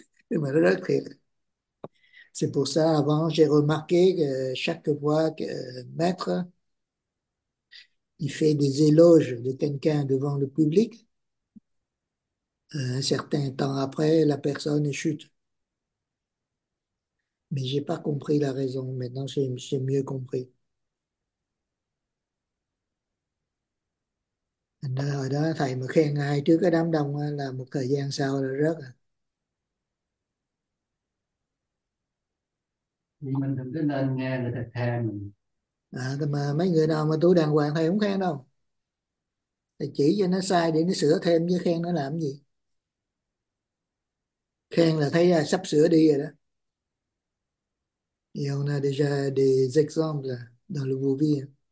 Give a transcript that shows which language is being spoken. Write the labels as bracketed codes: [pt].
[vi] Nhưng mà nó rớt thiệt. [fr] C'est pour ça avant j'ai remarqué que chaque fois que maître il fait des éloges de quelqu'un devant le public, un certain temps après la personne chute. Mais j'ai pas compris la raison. Maintenant, j'ai mieux compris. [vi] Hồi đó thầy mà khen ai trước cái đám đông á, là một thời gian sau là rớt à. Vì mình đừng có nên nghe người ta khen mình. À, mà mấy người nào mà tu đàng hoàng thầy không khen đâu. Thầy chỉ cho nó sai để nó sửa thêm chứ khen nó làm gì. Khen là thấy là sắp sửa đi rồi đó. [fr] Et on a déjà des exemples dans le vos vies.